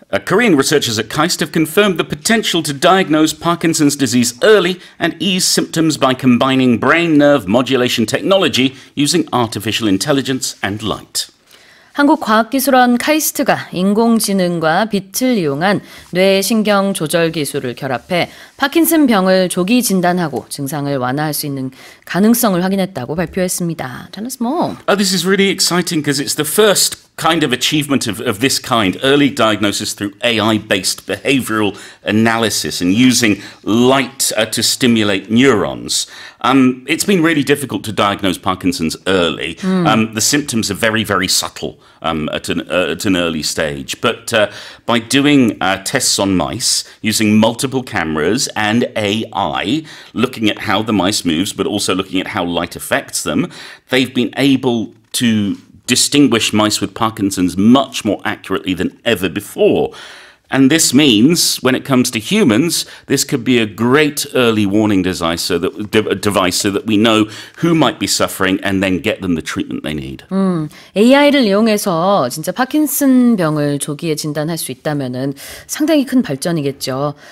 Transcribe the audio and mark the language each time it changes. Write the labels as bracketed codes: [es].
[en] Korean researchers at KAIST have confirmed the potential to diagnose Parkinson's disease early and ease symptoms by combining brain nerve modulation technology using artificial intelligence and light. [ko] 한국과학기술원 카이스트가 인공지능과 빛을 이용한 뇌신경조절기술을 결합해 파킨슨병을 조기 진단하고 증상을 완화할 수 있는 가능성을 확인했다고 발표했습니다. [en] Tell us more. Oh, this is really exciting because it's the first kind of achievement of this kind, early diagnosis through AI-based behavioral analysis and using light to stimulate neurons. It's been really difficult to diagnose Parkinson's early. The symptoms are very, very subtle at an early stage. But by doing tests on mice using multiple cameras and AI, looking at how the mice moves, but also looking at how light affects them, they've been able to distinguish mice with Parkinson's much more accurately than ever before. And this means, when it comes to humans, this could be a great early warning device so that we know who might be suffering and then get them the treatment they need. [ko] AI를 이용해서 진짜 파킨슨병을 조기에 진단할 수 있다면은 상당히 큰 발전이겠죠.